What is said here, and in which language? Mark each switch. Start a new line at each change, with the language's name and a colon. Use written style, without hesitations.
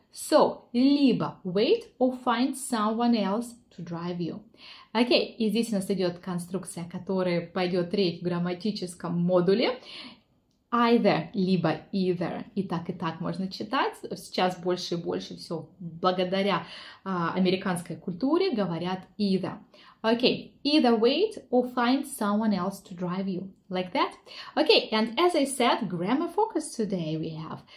English: So,
Russian: либо
English: wait or find someone else to drive you.
Russian: Окей, и здесь у нас идет конструкция, которая пойдет речь в грамматическом модуле. Either, либо either, и так можно читать. Сейчас больше и больше все благодаря американской культуре говорят either.
English: Okay, either wait or find someone else to drive you. Like that? Okay, and as I said, grammar focus today we have.